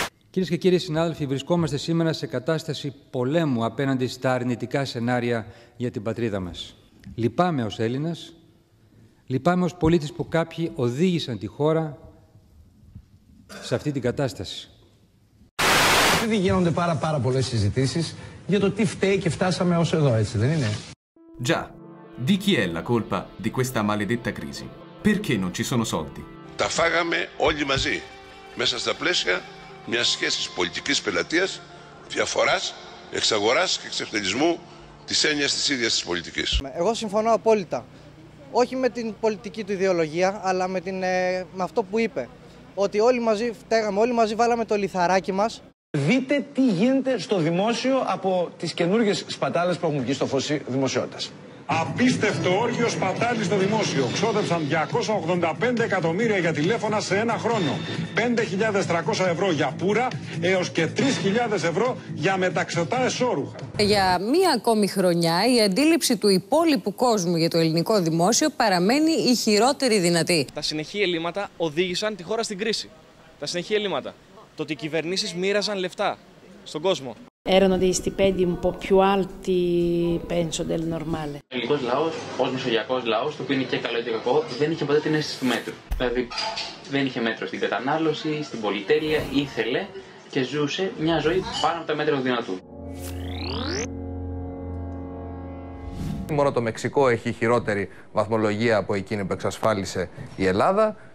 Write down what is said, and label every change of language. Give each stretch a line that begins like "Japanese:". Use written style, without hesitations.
Greek: Κυρίες και κύριοι συνάδελφοι, βρισκόμαστε σήμερα σε κατάσταση πολέμου απέναντι στα αρνητικά σενάρια για την πατρίδα μας. Λυπάμαι ως Έλληνας, λυπάμαι ως πολίτης που κάποιοι οδήγησαν τη χώρα σε αυτή την κατάσταση. Ήδη γίνονται πάρα πολλές συζητήσεις για το τι φταίει και φτάσαμε ως εδώ, έτσι δεν είναι?
Italian: Già, di chi è la colpa di questa maledetta crisi? Perché non ci sono soldi?
Greek: Τα φάγαμε όλοι μαζί, μέσα στα πλαίσια μιας σχέσης πολιτικής πελατείας, διαφοράς, εξαγοράς και εξευτελισμού της έννοιας της ίδιας της πολιτικής. Εγώ συμφωνώ απόλυτα, όχι με την πολιτική του ιδεολογία, αλλά με αυτό που είπε, ότι όλοι μαζί φταίγαμε, όλοι μαζί βάλαμε το λιθαράκι μας. Δείτε τι γίνεται στο δημόσιο από τις καινούργιες σπατάλες που έχουν βγει στο φως δημοσιότητας. Απίστευτο όργιο σπατάλη στο δημόσιο. Ξόδεψαν 285 εκατομμύρια για τηλέφωνα σε ένα χρόνο. 5.300 ευρώ για πουρα έως και 3.000 ευρώ για μεταξωτά εσώρουχα. Για μία ακόμη χρονιά η αντίληψη του υπόλοιπου κόσμου για το ελληνικό δημόσιο παραμένει η χειρότερη δυνατή. Τα συνεχή ελλείμματα οδήγησαν τη χώρα στην κρίση. Τα συνεχή ελλείμματα. Το ότι οι κυβερνήσεις μοίραζαν λεφτά στον κόσμο.
Italian: Erano degli stipendi un po' più alti, penso, del normale. Il
Greek: ελληνικός λαός, ως μεσογειακός λαός, το οποίο είναι και καλό και κακό, δεν είχε ποτέ την αίσθηση του μέτρου. Δηλαδή, δεν είχε μέτρο στην κατανάλωση, στην πολυτέλεια, ήθελε και ζούσε μια ζωή πάνω από τα μέτρα του δυνατού. Μόνο το Μεξικό έχει χειρότερη βαθμολογία από εκείνη που εξασφάλισε η Ελλάδα.